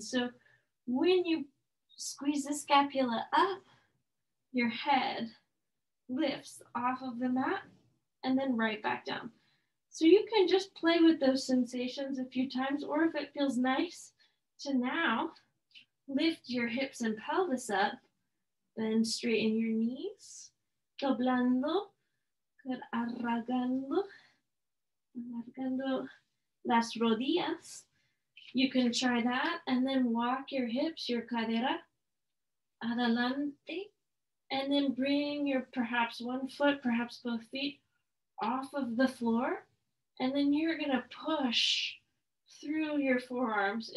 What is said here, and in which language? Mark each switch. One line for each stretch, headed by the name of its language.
English: So when you squeeze the scapula up, your head lifts off of the mat and then right back down. So you can just play with those sensations a few times, or if it feels nice to now lift your hips and pelvis up, then straighten your knees.
Spanish: Doblando, alargando las rodillas.
English: You can try that, and then walk your hips, your
Spanish: cadera, adelante,
English: and then bring your perhaps one foot, perhaps both feet off of the floor, and then you're gonna push through your forearms.